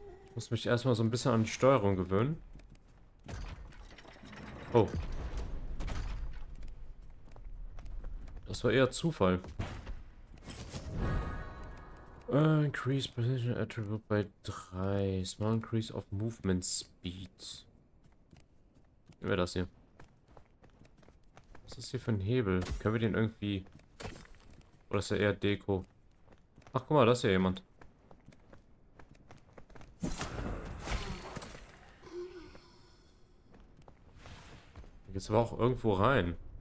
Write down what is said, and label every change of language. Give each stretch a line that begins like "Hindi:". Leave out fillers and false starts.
German: Ich muss mich erstmal so ein bisschen an die Steuerung gewöhnen. Oh. Das war eher Zufall.
English: Increase Position Attribute bei 3. Small Increase of Movement Speed.
German: Nehmen wir das hier. Was ist hier für ein Hebel? Können wir den irgendwie. Oder ist er eher Deko? Ach, guck mal, da ist ja jemand. Da geht's aber auch irgendwo rein.